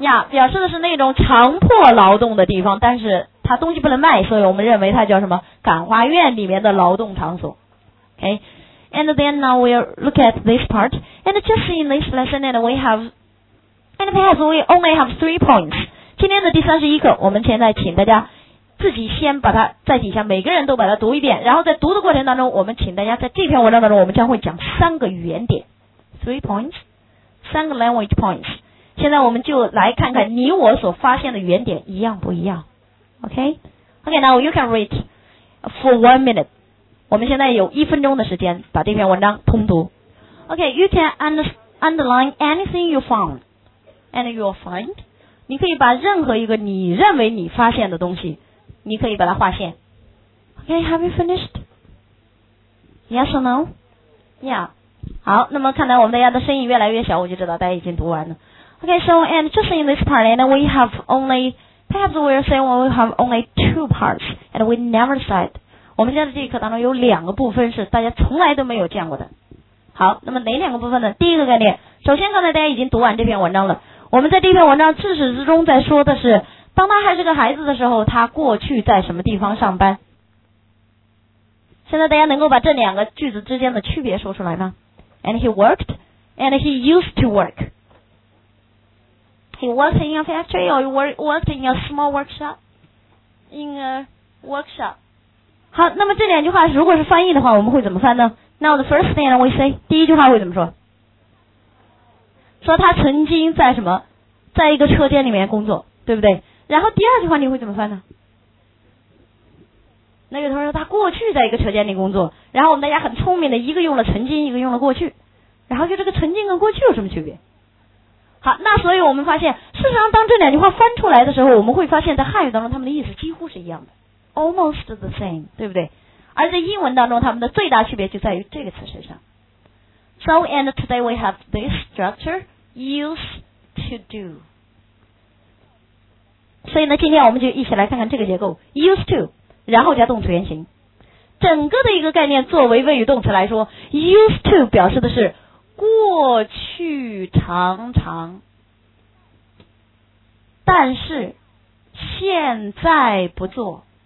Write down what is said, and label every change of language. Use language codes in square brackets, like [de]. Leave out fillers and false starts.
[zh] 表示的是那种强迫劳动的地方，但是它东西不能卖，所以我们认为它叫什么？感化院里面的劳动场所。 [en] OK。 And then now we'll look at this part. And just in this lesson, and we have, and perhaps we only have 3 points. [zh] 今天的第31课，我们现在请大家自己先把它在底下每个人都把它读一遍，然后在读的过程当中，我们请大家在这篇文章当中，我们将会讲3个语言点， [en] 3 points， [zh] 3个 language points. 现在我们就来看看你我所发现的语言点一样不一样。 [en] OK， OK， now you can read for 1 minute. [zh] 我们现在有1分钟的时间把这篇文章通读。 [en] OK, you can underline anything you found and you will find. [zh] 你可以把任何一个你认为你发现的东西，你可以把它划线。 [en] OK, have you finished? Yes or no? Yeah. [zh] 好，那么看来我们大家的声音越来越小，我就知道大家已经读完了。 [en] OK, so and just in this part, and we have only, perhaps we're saying we have only 2 parts and we never said. [zh] 我们现在这一课当中有2个部分是大家从来都没有见过的。好，那么哪2个部分呢？第一个概念，首先刚才大家已经读完这篇文章了，我们在这篇文章自始至终在说的是，当他还是个孩子的时候，他过去在什么地方上班。现在大家能够把这2个句子之间的区别说出来吗？ [en] And he worked and he used to work. He worked in a factory or he worked in a small workshop? In a workshop. [zh] 好，那么这2句话如果是翻译的话，我们会怎么翻呢？ [en] Now the first thing we say， [zh] 第一句话会怎么说？说他曾经在什么，在一个车间里面工作，对不对？然后第二句话你会怎么翻呢？那个同学说他过去在一个车间里工作，然后我们大家很聪明的，一个用了曾经，一个用了过去，然后就这个曾经跟过去有什么区别？好，那所以我们发现，事实上当这2句话翻出来的时候，我们会发现在汉语当中他们的意思几乎是一样的， [en] almost the same， [zh] 对不对？而在英文当中，它们的最大区别就在于这个词身上。 [en] So and today we have this structure used to do。 [zh] 所以呢，今天我们就一起来看看这个结构 used to， 然后加动词原形。整个的一个概念，作为谓语动词来说 ，used to 表示的是过去常常，但是现在不做。